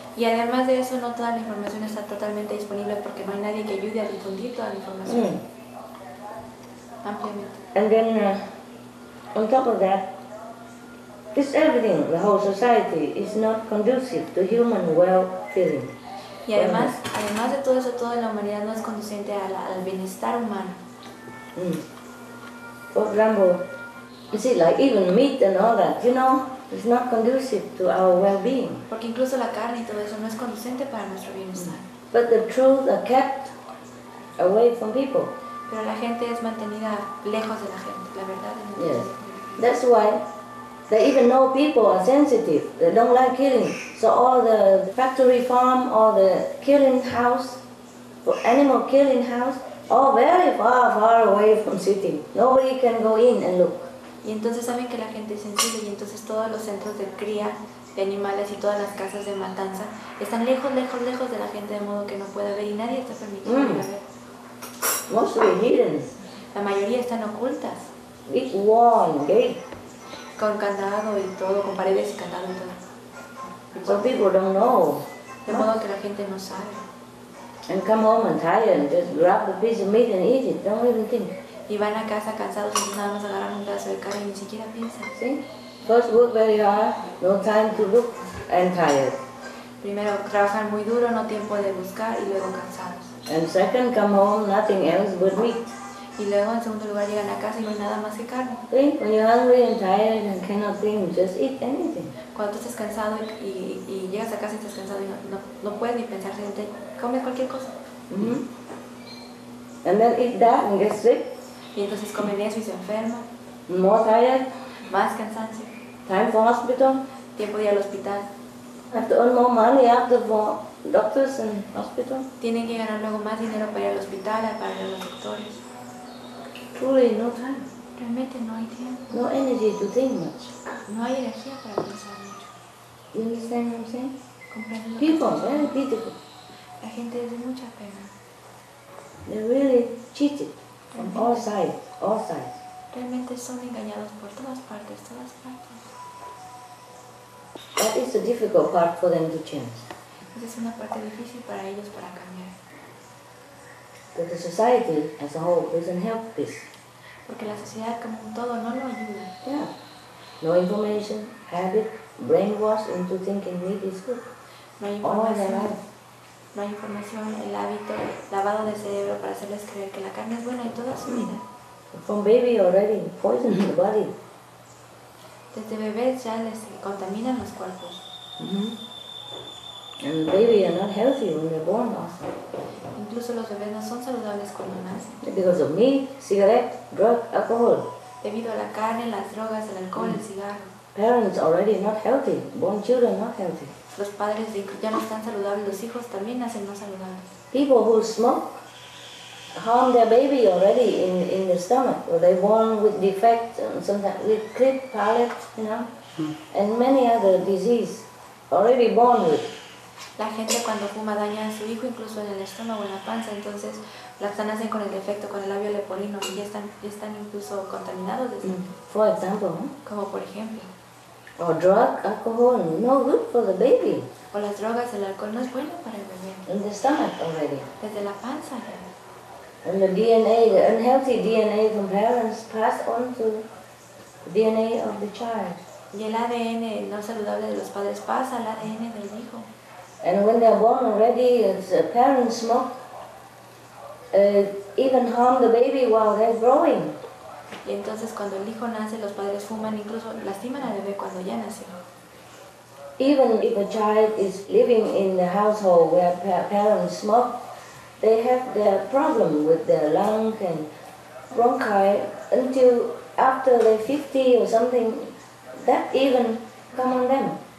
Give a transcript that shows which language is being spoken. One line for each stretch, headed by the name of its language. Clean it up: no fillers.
Spanish: Y además de eso, no toda la información está totalmente disponible porque no hay nadie que ayude a difundir toda la información. Mm.
English: And then, on top of that, this everything, the whole society, is not conducive to human well-being.
Spanish: Y además de todo eso, toda la humanidad no es conducente al bienestar humano. Mm.
English: For example, you see, like even meat and all that, you know, it's not conducive to our well-being.
Spanish: Porque incluso la carne y todo eso no es conducente para nuestro bienestar. Mm.
English: But the truth are kept away from people.
Spanish: Pero la gente es mantenida lejos de la gente, la verdad.
English: Yes. That's why they even know people are sensitive. They don't like killing. So all the factory farm or the killing house, or animal killing house, all very far, far away from city. Nobody can go in and look.
Spanish: Y entonces saben que la gente es sensible y entonces todos los centros de cría de animales y todas las casas de matanza están lejos, lejos, lejos de la gente de modo que no pueda ver y nadie está permitido ver.
English: Mostly hidden.
Spanish: La mayoría están ocultas.
English: Big wall, gate.
Spanish: Con candado y todo, con paredes y candado y todo.
English: Some people don't know.
Spanish: De modo que la gente no sabe.
English: And come home and tired and just grab a piece of meat and eat it. Don't even think.
Spanish: Y van a casa cansados y nada más agarran un pedazo de carne y ni siquiera piensan. ¿Sí?
English: First work very hard, no time to look and tired.
Spanish: Primero trabajan muy duro, no tiempo de buscar y luego cansados.
English: And second, come home, nothing else but meat.
Spanish: Y luego en segundo lugar llegan a casa y no hay nada más que carne.
English: Sí, when you're hungry and tired and cannot think, just eat anything.
Spanish: Cuando estás cansado y llegas a casa y estás cansado y no puedes ni pensar, simplemente comes cualquier cosa.
English: Mm-hmm. And then eat that and get sick.
Spanish: Y entonces comen eso y se enferma.
English: More tired.
Spanish: Más cansancio.
English: Time for hospital.
Spanish: Tiempo de ir al hospital.
English: Have to earn more money after for doctors and hospital.
Spanish: Tienen que ganar luego más dinero para ir al hospital, para ir a los doctores.
English: Truly, no time.
Spanish: Realmente no hay tiempo.
English: No energy to think much.
Spanish: No hay energía para pensar mucho.
English: You understand what I'm saying?
Spanish: Comprendo.
English: People, very beautiful.
Spanish: La gente es de mucha pena.
English: They're really cheated from all sides, all sides.
Spanish: Realmente son engañados por todas partes, todas partes.
English: That is the difficult part for them to change.
Spanish: Esa es una parte difícil para ellos para cambiar.
English: But the society as a whole doesn't help this.
Spanish: Porque la sociedad como un todo no lo ayuda.
English: Yeah. No information, habit, brainwashed into thinking need is good.
Spanish: No hay información. No hay información, el hábito, lavado de cerebro para hacerles creer que la carne es buena y toda su vida.
English: From baby already poisons the body.
Spanish: Desde bebés ya les contaminan los cuerpos.
English: And the baby are not healthy when they're born also.
Spanish: Incluso los bebés no son saludables cuando nacen.
English: Because of meat, cigarette, drug, alcohol.
Spanish: Debido a la carne, las drogas, el alcohol, el cigarro.
English: Parents already not healthy. Born children not healthy.
Spanish: Los padres ya no están saludables, los hijos también nacen no saludables.
English: People who smoke harm their baby already in the stomach. Or they're born with defect, sometimes with clipped palate, you know. And many other diseases already born with.
Spanish: La gente cuando fuma daña a su hijo, incluso en el estómago o en la panza, entonces las nacen con el defecto, con el labio leporino, y ya están incluso contaminados desde
English: For example,
Spanish: como por ejemplo.
English: O drug, alcohol, no good for the baby.
Spanish: O las drogas, el alcohol, no es bueno para el bebé.
English: In the stomach already.
Spanish: Desde la panza.
English: And the DNA, the unhealthy DNA from parents pass on to DNA of the child.
Spanish: Y el ADN no saludable de los padres pasa al ADN del hijo.
English: And when they are born already, the parents smoke, even harm the baby while they're growing.
Spanish: Y entonces cuando el hijo nace, los padres fuman, incluso lastiman al bebé cuando ya nació.
English: Even if a child is living in the household where parents smoke, they have their problem with their lung and bronchi until after they're 50 or something, that even come on them.